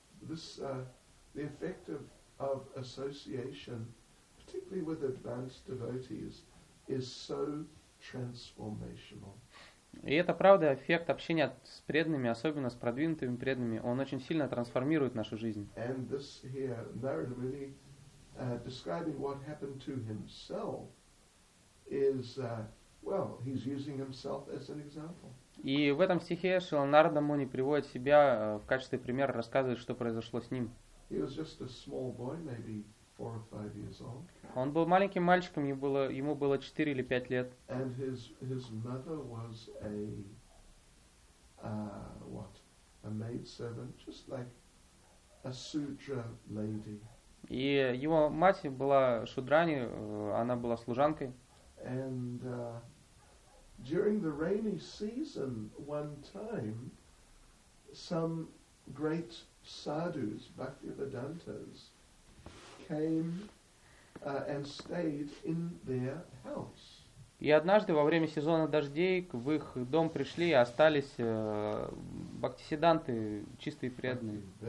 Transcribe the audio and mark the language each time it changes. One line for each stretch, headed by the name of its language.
English: This the effect of association, particularly with advanced devotees, is so transformational.
Russian: И это правда, эффект общения с преданными, особенно с продвинутыми преданными, он очень сильно трансформирует нашу жизнь.
English: And this here, Narada Muni, describing what happened to himself, is, well, he's using himself as an example.
Russian: И в этом стихе Шрила Нарада Муни приводит себя в качестве примера, рассказывает, что произошло с ним.
English: He was just a small boy, maybe 4 or 5 years old.
Russian: Он был маленьким мальчиком, ему было 4 или 5 лет.
English: And his mother was a, what, a maid servant, just like a sutra lady.
Russian: И его мать была шудрани, она была служанкой.
English: And during the rainy season, one time, some great sadhus, Bhaktivedantas, came and stayed in their house.
Russian: И однажды во время сезона дождей в их дом пришли и остались бхактисиданты, чистые и преданные.